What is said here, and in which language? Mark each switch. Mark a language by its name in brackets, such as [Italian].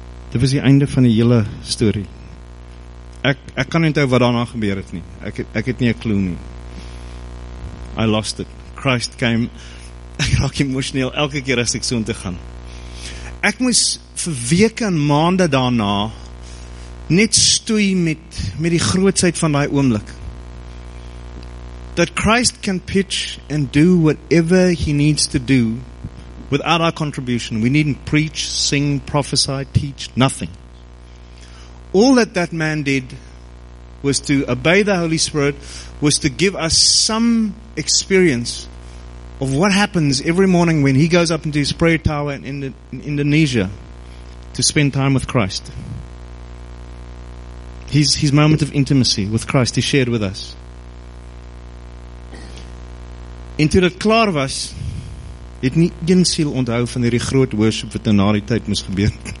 [Afrikaans] Dit was die einde van die hele story. Ek kan nie onthou wat daarna gebeur het nie. Ek het nie 'n klou nie. [English] I lost it. Christ came. [Afrikaans] Ek raak emosioneel elke keer as ek so intoe gaan. Ek moes vir weke en maande daarna net stoei met die grootsheid van daai oomblik. [English] That Christ can pitch and do whatever he needs to do without our contribution. We needn't preach, sing, prophesy, teach, nothing. All that that man did was to obey the Holy Spirit, was to give us some experience of what happens every morning when he goes up into his prayer tower in Indonesia to spend time with Christ. His moment of intimacy with Christ he shared with us. [Afrikaans] En toe dit klaar was, het nie een siel onthou van hierdie groot worship wat na die tyd moes gebeur.